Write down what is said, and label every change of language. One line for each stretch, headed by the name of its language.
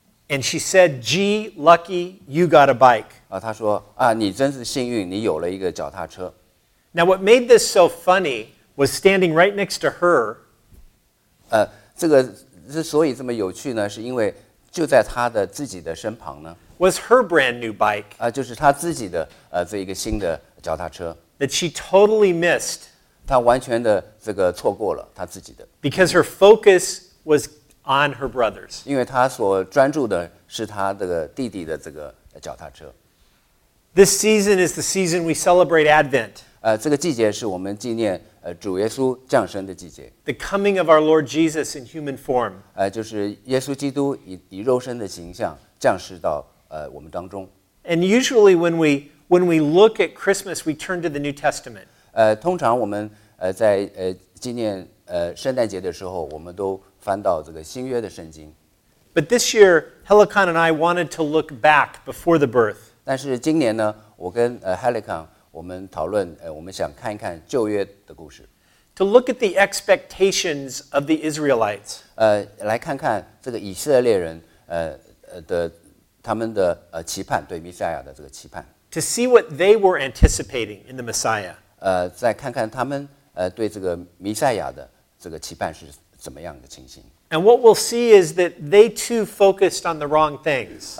English: And she said, "Gee, lucky you got a bike."
Chinese: 啊，她说啊，你真是幸运，你有了一个脚踏车。
English: Now, what made this so funny was standing right next to her.
Chinese: 这个之所以这么有趣呢，是因为就在她的自己的身旁呢。
English: Was her brand new bike?
Chinese: 就是她自己的这一个新的脚踏车。
English: That she totally missed.
Chinese: 她完全的这个错过了她自己的。
English: Because her focus was on her brother's.
Chinese: 因为她所专注的是她这个弟弟的这个脚踏车。
English: This season is the season we celebrate Advent.
Chinese: 这个季节是我们纪念主耶稣降生的季节。
English: The coming of our Lord Jesus in human form.
Chinese: 就是耶稣基督以肉身的形象降世到我们当中。
English: And usually when we look at Christmas, we turn to the New Testament.
Chinese: 通常我们在纪念圣诞节的时候，我们都翻到这个新约的圣经。
English: But this year, Helikon and I wanted to look back before the birth.
Chinese: 但是今年呢，我跟Helikon我们讨论，我们想看一看旧约的故事。
English: To look at the expectations of the Israelites.
Chinese: 来看看这个以色列人，的他们的期盼，对弥赛亚的这个期盼。
English: To see what they were anticipating in the Messiah.
Chinese: 再看看他们对这个弥赛亚的这个期盼是怎么样的情形。
English: And what we'll see is that they too focused on the wrong things.